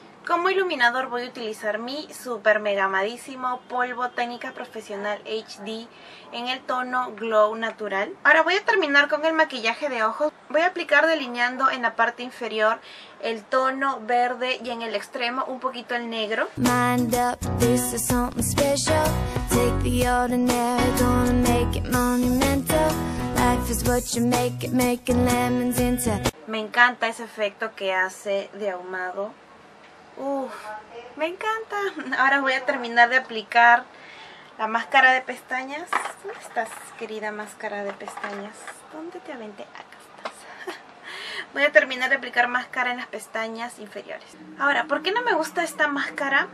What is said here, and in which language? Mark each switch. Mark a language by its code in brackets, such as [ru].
[es] Como iluminador voy a utilizar mi super mega amadísimo polvo técnica profesional HD en el tono glow natural. Ahora voy a terminar con el maquillaje de ojos. Voy a aplicar delineando en la parte inferior el tono verde y en el extremo un poquito el negro. [en] Mind up, this is something special. Take the ordinary, gonna make it monumental. Life is what you make it, making lemons into. [es] Me encanta ese efecto que hace de ahumado. ¡Uf! ¡Me encanta! Ahora voy a terminar de aplicar la máscara de pestañas. ¿Dónde estás, querida máscara de pestañas? ¿Dónde te aventé? Acá estás. Voy a terminar de aplicar máscara en las pestañas inferiores. Ahora, ¿por qué no me gusta esta máscara?